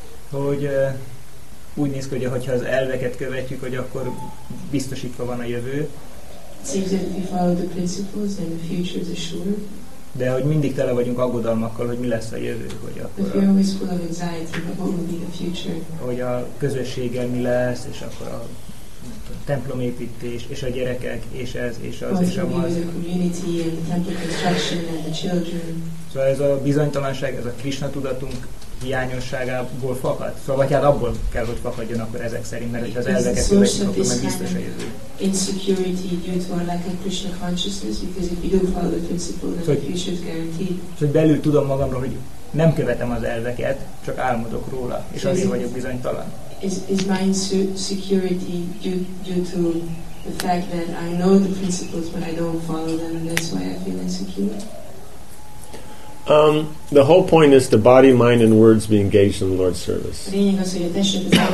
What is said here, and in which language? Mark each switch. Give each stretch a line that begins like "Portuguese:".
Hungarian: Hogy úgy néz ki, hogy ha az elveket követjük, hogy akkor biztosítva van a jövő.
English: Seems that if we follow the principles, then the future is assured.
Hungarian: De hogy mindig tele vagyunk aggodalmakkal, hogy mi lesz a jövő, hogy akkor.
English: But we're always full of anxiety about what will be the future.
Hungarian: Hogy a közösséggel mi lesz, és akkor a templomépítés, és a gyerekek, és ez, és az,
English: what
Hungarian: és amaz.
English: What will be the community and the temple construction and the children.
Hungarian: Szóval ez a bizonytalanság, ez a Krishna tudatunk hiányosságából fakad. Szóval vagy hát abból kell, hogy fakadjon akkor ezek szerint, mert hogy az elveket követjük, akkor meg biztos a jövő.
English: Insecurity due to our lack of Krishna consciousness, because if you don't follow the principle, then the future is guaranteed.
Hungarian: Szóval belül tudom magamról, hogy nem követem az elveket, csak álmodok róla, és so azért vagyok bizonytalan.
English: Is my insecurity due to the fact that I know the principles, but I don't follow them, and that's why I feel insecure? The whole point is the body, mind, and words be engaged in the Lord's service.